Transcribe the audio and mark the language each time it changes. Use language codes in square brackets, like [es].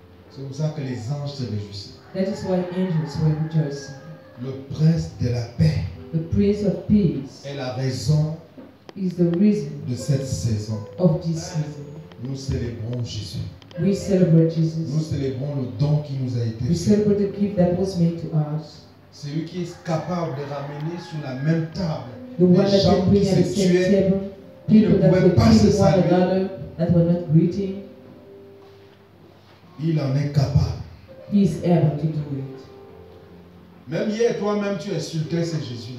[fr] C'est pour ça que les anges se réjouissaient. [en] That is why angels were rejoicing. [fr] Le prince de la paix. [en] The prince of peace. [fr] Est la raison. [en] Is the reason. [fr] De cette saison. [en] Of this season. [fr] Nous célébrons Jésus. [en] We celebrate Jesus. [fr] Nous célébrons le don qui nous a été. [en] We celebrate the gift that was made to us. [fr] C'est lui qui est capable de ramener sur la même table les gens qui se tuaient, qui ne pouvaient pas se saluer, [en] that were not greeting. [fr] Il en est capable. [en] He is able to do it. [fr] Même hier, toi-même, tu insultais ce Jésus.